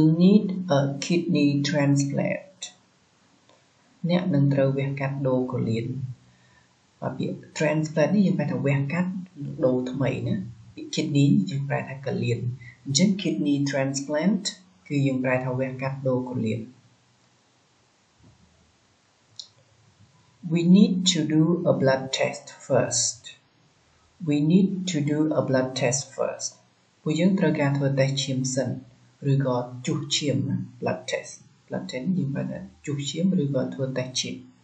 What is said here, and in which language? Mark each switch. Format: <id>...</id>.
<en>You need a kidney transplant</en> <km>អ្នកនឹងត្រូវវះកាត់ដូរកូលីនបើពាក្យ transplant នេះយើងប្រែថាវះកាត់ដូរថ្មីណាពាក្យ kidney យើងប្រែថាកូលីនjun</km> <en>kidney transplant</en> <km>គឺយើងប្រែថាវះកាត់ដូរគូលីន</km> <en>We need to do a blood test first</en> <km>ពួកយើងត្រូវការធ្វើតេស្តឈាមសិនឬក៏ជុះឈាម</km> <en>blood test</en> <km>យើងប្រែថាជុះឈាមឬក៏ធ្វើតេស្តឈាម</km>